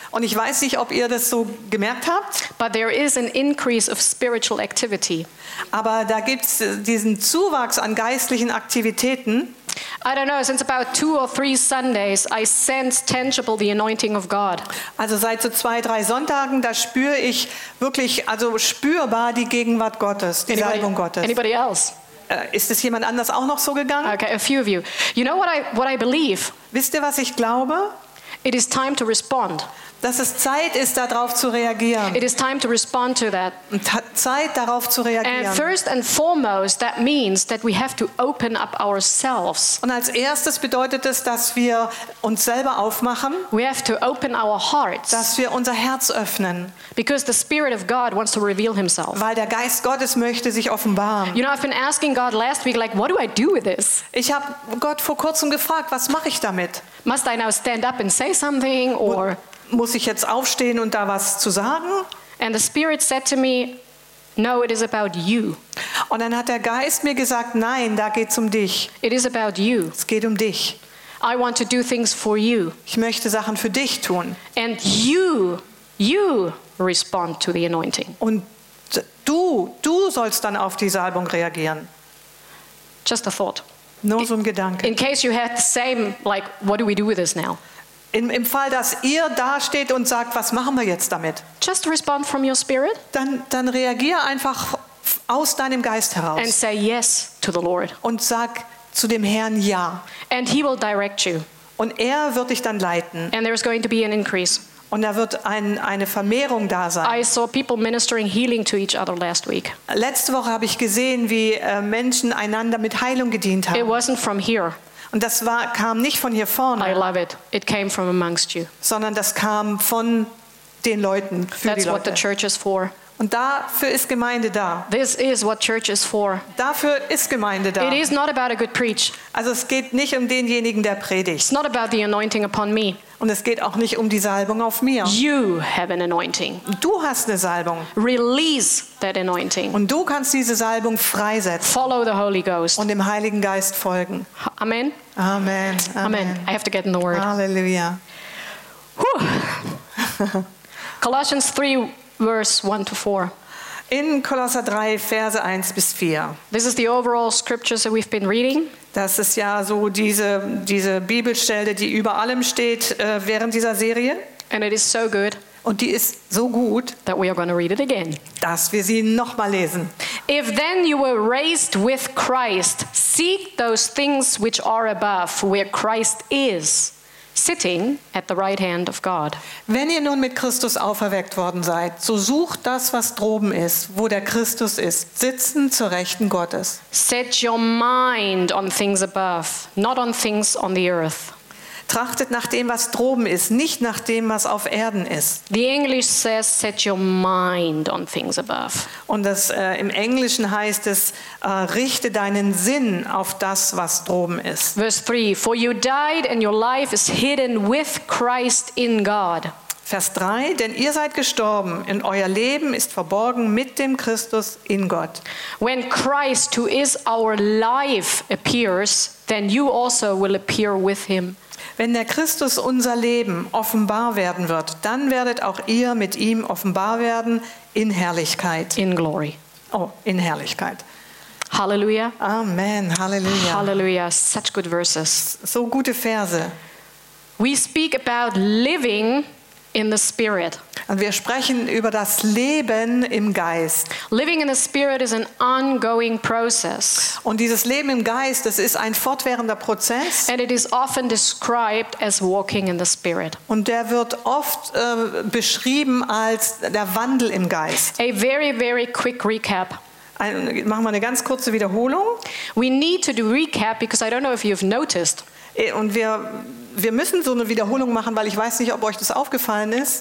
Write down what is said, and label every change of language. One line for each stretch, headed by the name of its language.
German: Und ich weiß nicht, ob ihr das so gemerkt habt.
English: But there is an increase of spiritual activity.
German: Aber da gibt's diesen Zuwachs an geistlichen Aktivitäten.
English: I don't know, since about 2 or 3 Sundays I sense tangible the anointing of God.
German: Also seit so 2, 3 Sonntagen, da spüre ich wirklich, also spürbar die Gegenwart Gottes, die Salbung Gottes.
English: Anybody else?
German: Ist es jemand anders auch noch so gegangen?
English: Okay, a few of you. You know what I believe?
German: Wisst ihr, was ich glaube?
English: It is time to respond.
German: Dass es Zeit ist, darauf zu reagieren.
English: It is time to respond to that.
German: Zeit, darauf zu reagieren.
English: And first and foremost, that means that we have to open up ourselves.
German: Und als erstes bedeutet es, dass wir uns selber aufmachen.
English: We have to open our hearts.
German: Dass wir unser Herz öffnen.
English: Because the Spirit of God wants to reveal Himself.
German: Weil der Geist Gottes möchte sich offenbaren.
English: You know, I've been asking God last week, like, what do I do with this?
German: Ich habe Gott vor kurzem gefragt, was mache ich damit?
English: Must I now stand up and say something, or?
German: Muss ich jetzt aufstehen und da was zu sagen?
English: And the Spirit said to me, "No, it is about you."
German: Und dann hat der Geist mir gesagt, nein, da geht's um dich.
English: It is about you.
German: Es geht um dich.
English: I want to do things for you.
German: Ich möchte Sachen für dich tun.
English: And you respond to the anointing.
German: Und du sollst dann auf die Salbung reagieren.
English: Just a thought.
German: Nur so ein Gedanke.
English: In case you had the same, like, what do we do with this now?
German: Im Fall, dass ihr dasteht und sagt, was machen wir jetzt damit?
English: Just respond from your spirit.
German: Dann reagier einfach aus deinem Geist heraus.
English: And say yes to the Lord.
German: Und sag zu dem Herrn ja.
English: And he will direct you.
German: Und er wird dich dann leiten.
English: And there is going to be an increase.
German: Und da wird eine Vermehrung da sein.
English: I saw people ministering healing to each other last week.
German: Letzte Woche habe ich gesehen, wie Menschen einander mit Heilung gedient haben.
English: It wasn't from here.
German: Und das kam nicht von hier vorne.
English: I love it. It came from amongst you.
German: Sondern das kam von den Leuten, für
English: That's
German: die Leute.
English: What the church is for.
German: Und dafür ist Gemeinde da.
English: This is what church is for.
German: Dafür ist Gemeinde da.
English: It is not about a good preach.
German: Also es geht nicht um denjenigen, der predigt.
English: It's not about the anointing upon me.
German: Und es geht auch nicht um die Salbung auf mir.
English: You have an anointing.
German: Du hast eine Salbung.
English: Release that anointing.
German: Und du kannst diese Salbung freisetzen.
English: Follow the Holy Ghost.
German: Und dem Heiligen Geist folgen. Amen. Amen.
English: Amen. I have to get in the word. Halleluja. Colossians 3 verse 1 to 4.
German: In Kolosser 3 Verse 1 bis 4.
English: This is the overall scriptures that we've been reading.
German: Das ist ja so diese Bibelstelle, die über allem steht während dieser Serie.
English: And it is so good.
German: Und die ist so gut,
English: that we are going to read it again.
German: Dass wir sie noch mal lesen.
English: If then you were raised with Christ, seek those things which are above, where Christ is, sitting at the right hand of God.
German: Wenn ihr nun mit Christus auferweckt worden seid, so sucht das, was droben ist, wo der Christus ist, sitzen zur Rechten Gottes.
English: Set your mind on things above, not on things on the earth.
German: Trachtet nach dem, was droben ist, nicht nach dem, was auf Erden ist.
English: The English says, set your mind on things above.
German: Und das im Englischen heißt es, richte deinen Sinn auf das, was droben ist.
English: Verse 3, for you died and your life is hidden with Christ in God.
German: Vers 3, denn ihr seid gestorben und euer Leben ist verborgen mit dem Christus in Gott.
English: When Christ, who is our life, appears, then you also will appear with him.
German: Wenn der Christus unser Leben offenbar werden wird, dann werdet auch ihr mit ihm offenbar werden in Herrlichkeit.
English: In glory.
German: Oh, in Herrlichkeit. Halleluja. Amen. Halleluja.
English: Halleluja. Such good verses.
German: So gute Verse.
English: We speak about living in the Spirit.
German: Und wir sprechen über das Leben im Geist.
English: Living in the Spirit is an ongoing process.
German: Und dieses Leben im Geist, das ist ein fortwährender Prozess.
English: And it is often described as walking in the Spirit.
German: Und der wird oft beschrieben als der Wandel im Geist.
English: A very, very quick recap.
German: Machen wir eine ganz kurze Wiederholung.
English: We need to do recap because I don't know if you've noticed.
German: Und wir müssen so eine Wiederholung machen, weil ich weiß nicht, ob euch das aufgefallen ist.